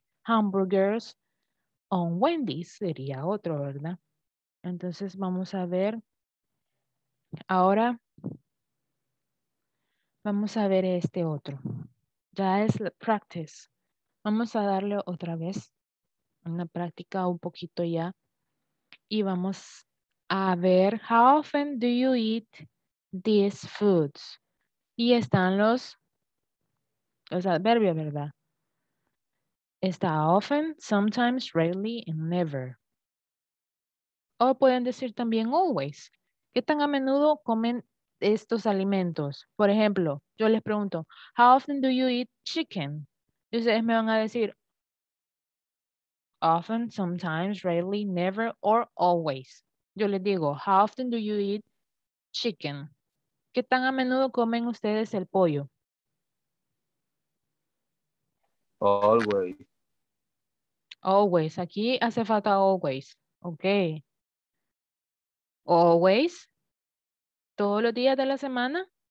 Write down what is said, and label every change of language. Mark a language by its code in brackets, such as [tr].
[es] hamburgers on Wendy's, sería otro, ¿verdad? Entonces vamos a ver, ahora vamos a ver este otro. Ya es la practice. Vamos a darle otra vez una práctica un poquito ya. [en] Y vamos a ver, [es] how often do you eat these foods? Y están los adverbios, ¿verdad? Está often, sometimes, rarely, and never. O pueden decir también always. ¿Qué tan a menudo comen estos alimentos? Por ejemplo, yo les pregunto, how often do you eat chicken? Y ustedes me van a decir, often, sometimes, rarely, never, or always. Yo les digo, how often do you eat chicken? ¿Qué tan a menudo comen ustedes el pollo? [en] Always. [es] Always. Aquí hace falta always. Ok. Always. ¿Todos los días de la semana?